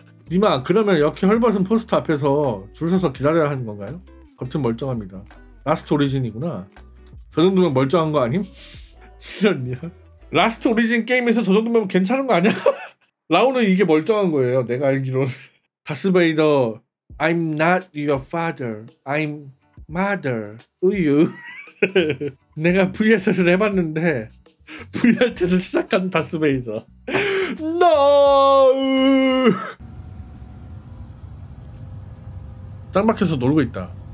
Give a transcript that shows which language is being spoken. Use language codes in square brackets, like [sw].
[ko] 니마, 그러면 역시 헐벗은 포스터 앞에서 줄 서서 기다려야 하는 건가요? 겉은 멀쩡합니다. 라스트 오리진이구나. 저 정도면 멀쩡한 거 아님? 싫었냐? 라스트 오리진 게임에서 저 정도면 괜찮은 거 아니야? 라오는 이게 멀쩡한 거예요. 내가 알기로는. [en] 다스베이더, I'm not your father, I'm mother, [ko] 우유. 내가 VR챗을 해봤는데 VR챗을 시작한 다스베이더. [en] No! [ko] 짱 박혀서 놀고 있다.